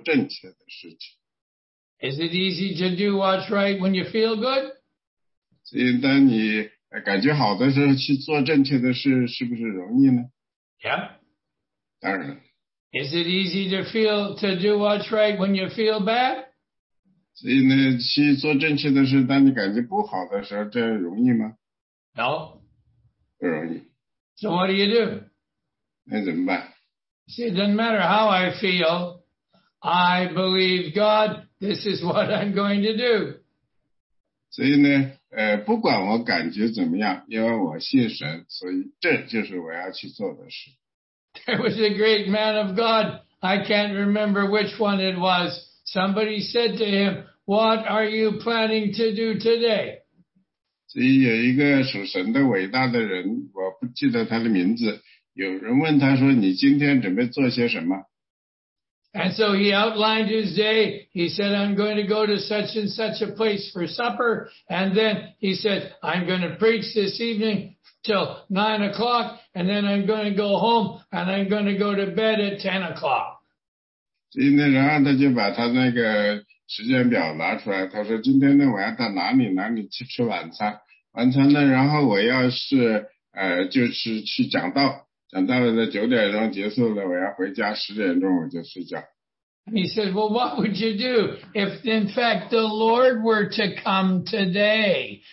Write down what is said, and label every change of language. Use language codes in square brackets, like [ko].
[zh] 因为我不知道再举一些什么样的例子跟你们说明，所以你们每个人其实都很清楚，你们自己也知道，今天呢感觉好，明天呢感觉不好，所以不管你感觉好还是感觉不好，都要一直坚持做正确的事情。 [en] Is it easy to do what's right when you feel good? [zh] 所以当你感觉好的时候去做正确的事，是不是容易呢？ [en] Yeah. [zh] 当然。 [en] Is it easy to feel to do what's right when you feel bad? [zh] 所以呢，去做正确的事，当你感觉不好的时候，这容易吗？ [en] No. [zh] 不容易。 [en] So what do you do? [zh] 那怎么办？ [en] See, it doesn't matter how I feel. I believe God, this is what I'm going to do. [zh] 所以呢，不管我感觉怎么样，因为我信神，所以这就是我要去做的事。 [en] There was a great man of God, I can't remember which one it was. Somebody said to him, what are you planning to do today? [zh] 所以有一个属神的伟大的人，我不记得他的名字，有人问他说，你今天准备做些什么？ [en] And so he outlined his day. He said, I'm going to go to such and such a place for supper. And then he said, I'm going to preach this evening till 9 o'clock. And then I'm going to go home and I'm going to go to bed at 10 o'clock. [zh] 今天然后他就把他那个时间表拿出来，他说今天的晚上到哪里哪里去吃晚餐，晚餐呢，然后我要是就是去讲道，讲到了9点钟结束了，我要回家10点钟我就睡觉。 [en] He said, well, what would you do if, in fact, the Lord were to come today?